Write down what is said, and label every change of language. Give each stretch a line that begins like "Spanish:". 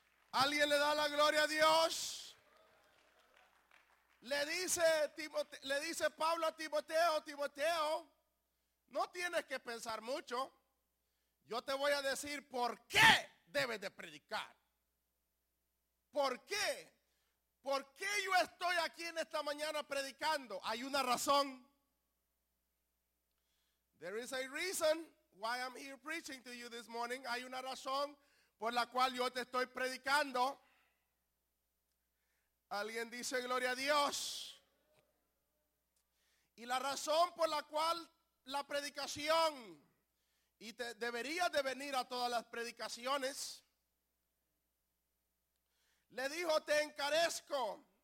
Spanish: ¿Alguien le da la gloria a Dios? Le dice Pablo a Timoteo, Timoteo, no tienes que pensar mucho, yo te voy a decir por qué debes de predicar. ¿Por qué? ¿Por qué yo estoy aquí en esta mañana predicando? Hay una razón.
English: There is a reason why I'm here preaching to you this morning.
Spanish: Hay una razón por la cual yo te estoy predicando. Alguien dice gloria a Dios. Y la razón por la cual la predicación, y te debería de venir a todas las predicaciones, le dijo, te encarezco.